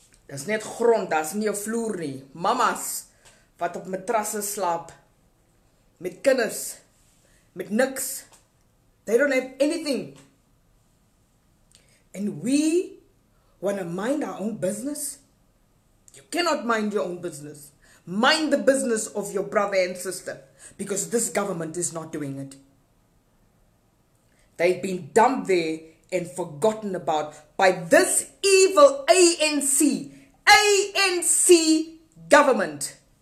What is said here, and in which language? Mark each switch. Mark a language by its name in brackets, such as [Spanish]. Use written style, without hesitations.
[Afrikaans] Dis net grond, dis nie 'n vloer nie. Mamas wat op matrasse slaap met kinders, met niks. [English] They don't have anything. And we want to mind our own business? You cannot mind your own business. Mind the business of your brother and sister, because this government is not doing it. They've been dumped there and forgotten about by this evil ANC government.